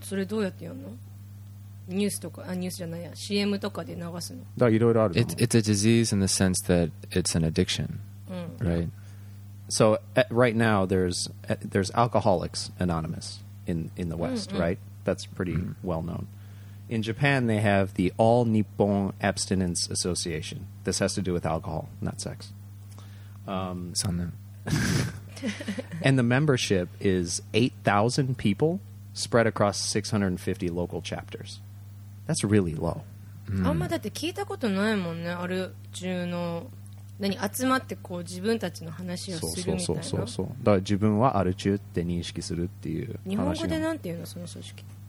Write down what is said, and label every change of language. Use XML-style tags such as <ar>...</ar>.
<ja>それどうやってやるのニュースとかあニュースじゃないや CM とかで流すのだからいろいろあると思う</ja> <en>it's a disease in the sense that it's an addiction、</en> <ja>うん、</ja> <en>right so right now there's Alcoholics Anonymous in the West、うんうん、right that's pretty、うん、well known in Japan they have the All Nippon Abstinence Association this has to do with alcohol not sex</en> <ja>そんな</ja> <en>and the membership is 8,000 people spread across 650 local chaptersThat's really low.</en> <ja>あんまだって聞いたことないもんね。ある中の何集まってこう自分たちの話をするみたいな。そう。だから自分はある中って認識するっていう話。日本語でなんていうのその組織？</ja>